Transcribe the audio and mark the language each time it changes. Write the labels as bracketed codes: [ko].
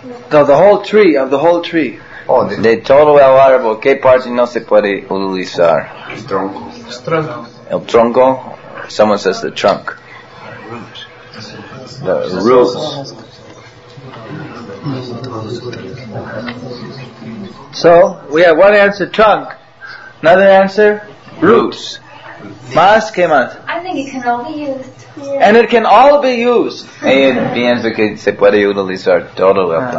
[en] No, the whole tree, of the whole tree. [es] Oh, de todo el árbol, ¿qué parte no se puede utilizar? El tronco. El tronco. [en] Someone says the trunk. The roots. So we have one answer, trunk. Another answer, roots. [es] Más que más. [en] I think it can all be used. Yeah. And it can all be used. [es] Y pienso que se puede utilizar todo el tiempo.